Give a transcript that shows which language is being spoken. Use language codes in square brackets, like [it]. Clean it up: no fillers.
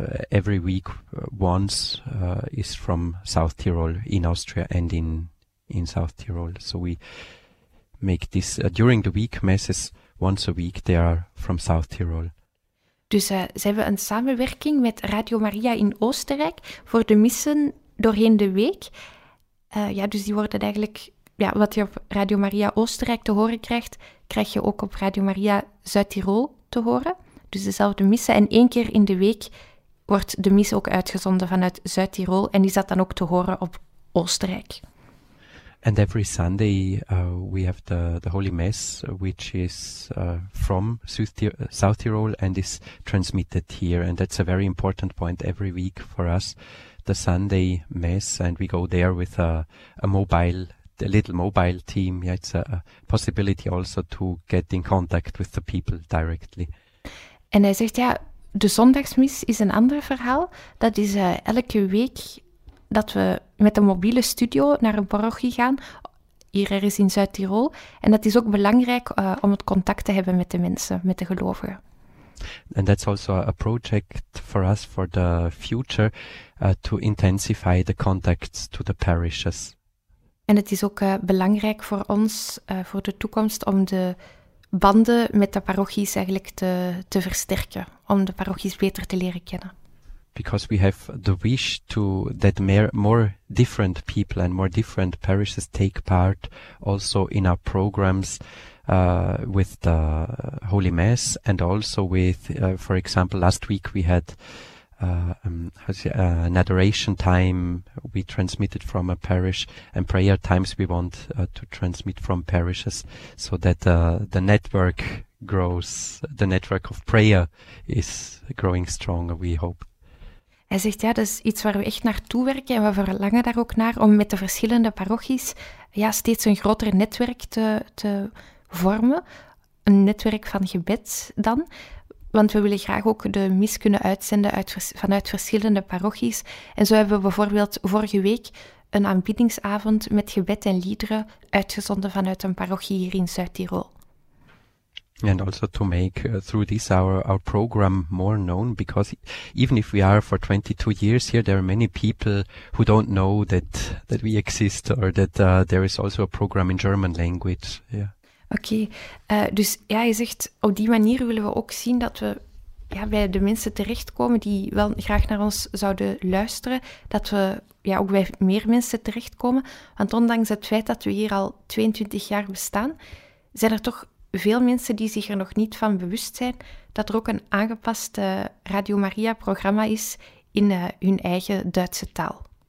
[en] Every week once is from South Tirol in Austria and in South Tirol. So we make this during the week masses once a week. They are from South Tirol. [nl] Dus ze hebben een samenwerking met Radio Maria in Oostenrijk voor de missen doorheen de week. Dus die worden eigenlijk, wat je op Radio Maria Oostenrijk te horen krijgt, krijg je ook op Radio Maria Zuid-Tirol te horen. Dus dezelfde missen. En één keer in de week wordt de mis ook uitgezonden vanuit Zuid-Tirol. En is dat dan ook te horen op Oostenrijk. [en] And every Sunday we have the Holy Mass, which is from South Tirol and is transmitted here. And that's a very important point every week for us, the Sunday Mass. And we go there with a little mobile team. Yeah, it's a possibility also to get in contact with the people directly. [nl] En hij zegt, de zondagsmis is een ander verhaal. Dat is elke week dat we met een mobiele studio naar een parochie gaan, hier ergens in Zuid-Tirol. En dat is ook belangrijk om het contact te hebben met de mensen, met de gelovigen. [en] And that's also a project for us for the future, to intensify the contacts to the parishes. [nl] En het is ook belangrijk voor ons, voor de toekomst, om de banden met de parochies eigenlijk te versterken, om de parochies beter te leren kennen. [en] Because we have the wish to that more different people and more different parishes take part also in our programs with the Holy Mass and also with, for example, last week we had an adoration time we transmitted from a parish and prayer times we want to transmit from parishes so that the network grows, the network of prayer is growing stronger, we hope. [nl] Hij zegt, ja, dat is iets waar we echt naartoe werken en we verlangen daar ook naar, om met de verschillende parochies steeds een groter netwerk te vormen. Een netwerk van gebed dan. Want we willen graag ook de mis kunnen uitzenden vanuit verschillende parochies. En zo hebben we bijvoorbeeld vorige week een aanbiddingsavond met gebed en liederen uitgezonden vanuit een parochie hier in Zuid-Tirol. [en] And also to make through this our program more known, because even if we are for 22 years here, there are many people who don't know that we exist or that there is also a program in German language. Yeah. Okay. [nl] Dus ja, je zegt, op die manier willen we ook zien dat we bij de mensen terechtkomen die wel graag naar ons zouden luisteren, dat we ook bij meer mensen terechtkomen. Want ondanks het feit dat we hier al 22 jaar bestaan, zijn er toch veel mensen die zich er nog niet van bewust zijn dat er ook een aangepast Radio Maria-programma is in hun eigen Duitse taal.